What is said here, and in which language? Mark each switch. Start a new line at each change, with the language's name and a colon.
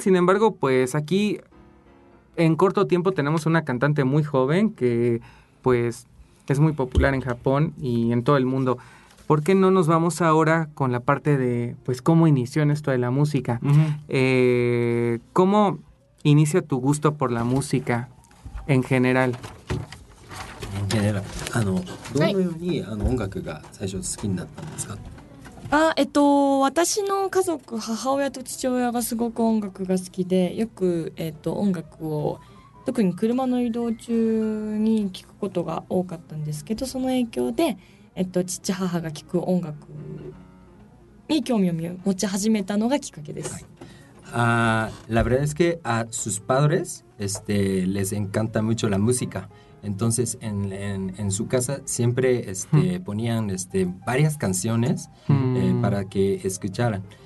Spanish: Sin embargo, pues aquí en corto tiempo tenemos una cantante muy joven que pues es muy popular en Japón y en todo el mundo. ¿Por qué no nos vamos ahora con la parte de pues cómo inició en esto de la música? Uh-huh. ¿Cómo inicia tu gusto por la música en general?
Japanese: general, どのように、はい、音楽が最初好きになったんですか？私の家族、母親と父親がすごく音楽が好きで、よく、音楽を特に車の移動中に聞くことが多かったんですけど、その影響で、父母が聞く音楽に興味を持ち始めたのがきっかけです。
Spanish: はい、la verdad es que a sus padres les encanta mucho la música. Entonces en su casa siempre ponían varias canciones para que escucharan.